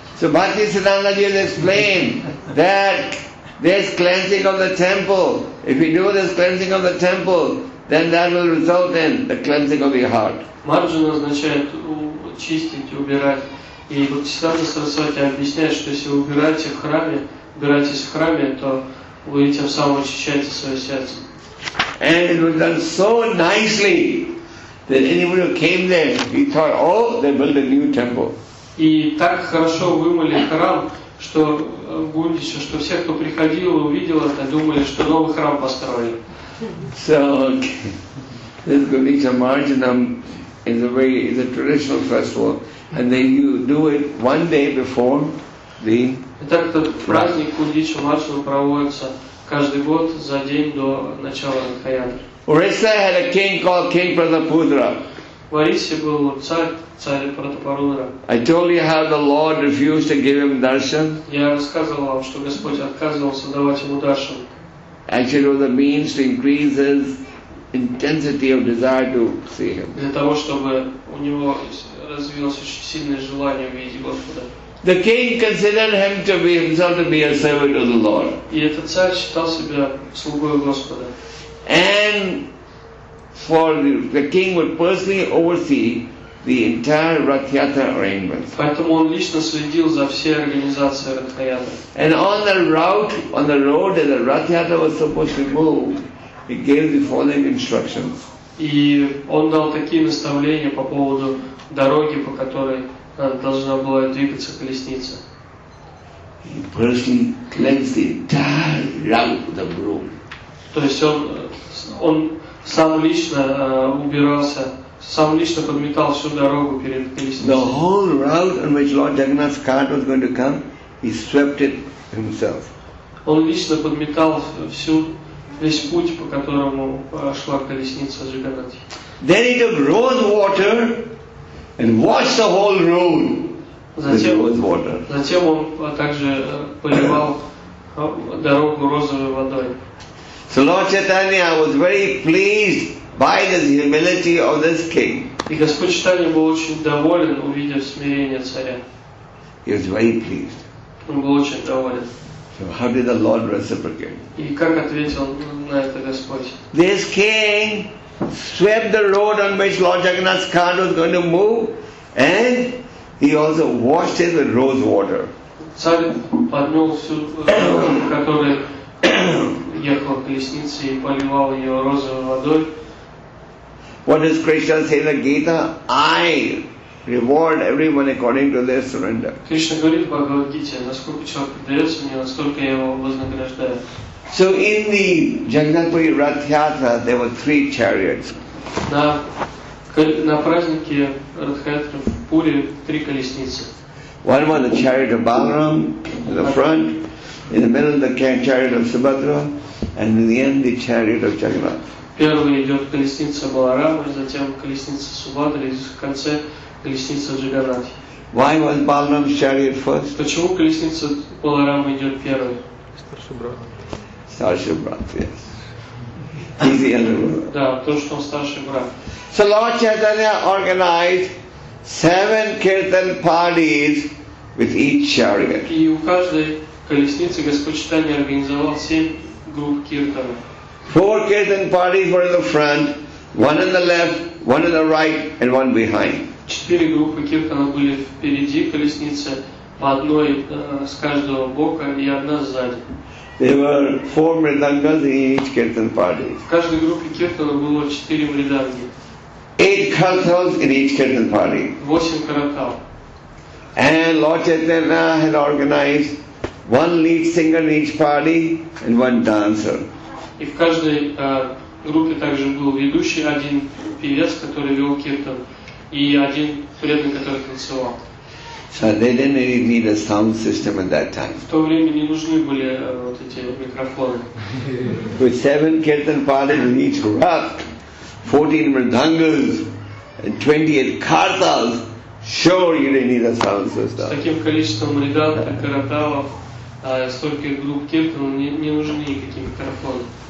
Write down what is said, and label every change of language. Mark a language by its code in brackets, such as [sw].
[en] So Bhakti Siddhanta Ji has explained that there's cleansing of the temple. If we do this cleansing of the temple, then that will result in the cleansing of the heart. [ru] Marjana означает чистить, убирать. И вот Сиддханта Сарасвати объясняет, что если вы убираете в храме, убираетесь в храме, то вы тем самым очищаете свое сердце. [en] And it was done so nicely that anybody who came there, he thought, oh, they built a new temple. [ru] И так хорошо вымыли храм, что будущее, что все, кто приходил, увидел это, думали, что новый храм построили. [en] So, okay. This Gaudiya Marjanam is a very, is a traditional festival, and then you do it one day before the. [ru] Итак, этот праздник Гаудия Марджанам проводится каждый год за день до начала Махаяны. [en] Orissa had a king called King Pratapudra. [ru] В Орисе был царь Пратапарудра. [en] I told you how the Lord refused to give him darshan. [ru] Я рассказывал вам, что Господь отказывался давать ему даршан. [en] Actually, it was a means to increase his intensity of desire to see him. [ru] Для того, чтобы у него развилось очень сильное желание видеть Господа. [en] The king considered him to be himself to be a servant of the Lord. [ru] И этот царь считал себя слугой Господа. [en] And for the king would personally oversee the entire Rathyatra arrangements. [ru] Поэтому он лично следил за всей организацией Рат-Ятры. [en] And on the route, on the road that the Rathyatra was supposed to move, he gave the following instructions. [ru] И он дал такие наставления по поводу дороги, по которой должна была двигаться колесница. [en] He personally cleansed the entire route with a broom. [ru] То есть он сам лично убирался, сам лично подметал всю дорогу перед колесницей. [en] The whole route on which Lord Jagannath's cart was going to come, he swept it himself. [ru] Он лично подметал весь путь, по которому шла колесница Джаганнати. [en] Then he took rose water and washed the whole road with rose water. [ru] Затем он также поливал дорогу розовой водой. [en] So Lord Chaitanya was very pleased by the humility of this king. [ru] И Господь Читания был очень доволен, увидев смирение царя. [en] He was very pleased. [ru] Он был очень доволен. [en] So how did the Lord reciprocate? [ru] И как ответил на это Господь? [en] This king swept the road on which Lord Jagannath's car was going to move, and he also washed it with rose water. [ru] Царь поднял всю дорогу, которая ехала колесница, и поливал ее розовой водой. [en] What does Krishna say in the Gita? I reward everyone according to their surrender. [ru] Krishna говорит в Бхагавад-гите, насколько человек предается мне, настолько я его вознаграждаю. [en] So in the Jagannathpuri Rathyatra there were three chariots. [ru] На празднике Ратхаятры в Пури три колесницы. [en] One was the chariot of Balaram in the front, in the middle the chariot of Subhadra, and in the end the chariot of Jagannath. [ru] Первой идет колесница Баларама, затем колесница Субхадры, и в конце колесница Джаганнати. [en] Why was Balaram's chariot first? [ru] Почему колесница Баларама идет первой? Старший брат, [en] yes. He's the elder brother. [ru] Да, то, что он старший брат. [en] So Lord Chaitanya organized 7 kirtan parties with each chariot. [ru] И у каждой колесницы Господь Читания организовал 7 групп киртана. [en] 4 kirtan parties were in the front, one on the left, one on the right, and one behind. [ru] 4 группы киртана были впереди колесницы, по одной с каждого бока и одна сзади. [en] There were 4 мридангас in each kirtan party. [ru] В каждой группе киртана было 4 мриданги. [en] 8 каратхалс in each kirtan party. [ru] 8 каратхал. [en] And Lord Chaitanya had organized 1 lead singer in each party and 1 dancer. [ru] И в каждой группе также был ведущий, один певец, который вел киртан, и один преданный, который танцевал. [en] So they didn't really need a sound system at that time. [ru] В то время не нужны были вот эти микрофоны. [en] With 7 kirtan parties in each rath, 14 mridangas, and 28 kartals, Surely they need a sound system. [ru] С таким количеством ребят, караталов, столько групп кирпану, не нужны никакие микрофоны.